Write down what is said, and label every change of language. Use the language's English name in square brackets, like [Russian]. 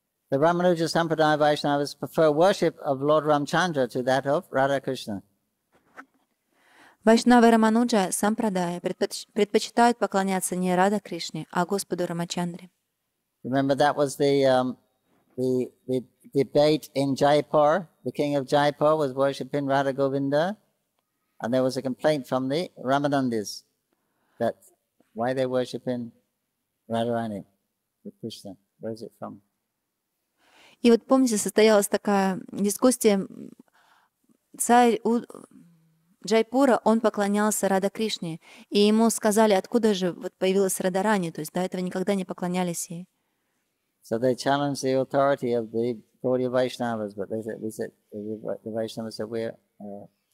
[English] The Ramanuja Sampradaya Vaishnavas prefer worship of Lord Ramchandra to that of Radha Krishna. [Russian] Вайшнавы Рамануджа Сампрадая предпочитают поклоняться не Радха Кришне, а Господу Рамачандре. [English] Remember that was the debate in Jaipur. The king of Jaipur was worshiping Radha Govinda. And there was a complaint from the Ramanandis that why they worshiping Radharani, the Krishna. Where is it from? [Russian] И вот помните, состоялась такая дискуссия. Царь Джайпура, он поклонялся Радха Кришне, и ему сказали, откуда же вот появилась Радарани, то есть до этого никогда не поклонялись ей. [English] So they challenged the authority of the Gaudiya Vaishnavas, but they said the Vaishnavas said